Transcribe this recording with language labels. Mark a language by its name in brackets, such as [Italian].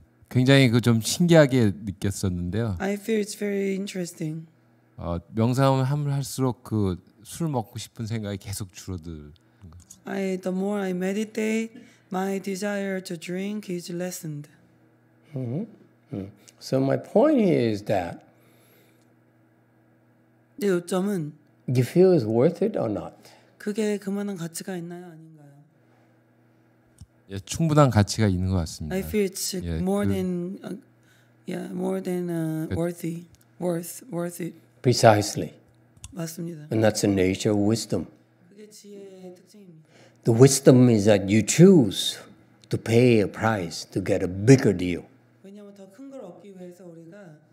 [Korean] 굉장히 그 좀 신기하게 느꼈었는데요. [English] I feel it's very interesting. [Korean] 명상을 할수록 그 술 먹고 싶은 생각이 계속 줄어들. [English] The more I meditate, my desire to drink is lessened. Mm-hmm. So my point is that [Korean] 내 요점은 [English] you feel is worth it or not? [Korean] 그게 그만한 가치가 있나요, 아닌가요? 예, 충분한 가치가 있는 것 같습니다. [English] I feel it's 예, more 그, than yeah, more than 그, worthy, worth, worth it. Precisely. [Korean] 맞습니다. [English] And that's the nature of wisdom. [Korean] 그게 지혜의 특징입니다. [English] The wisdom is that you choose to pay a price to get a bigger deal. [Korean] 왜냐하면 더 큰 걸 얻기 위해서 우리가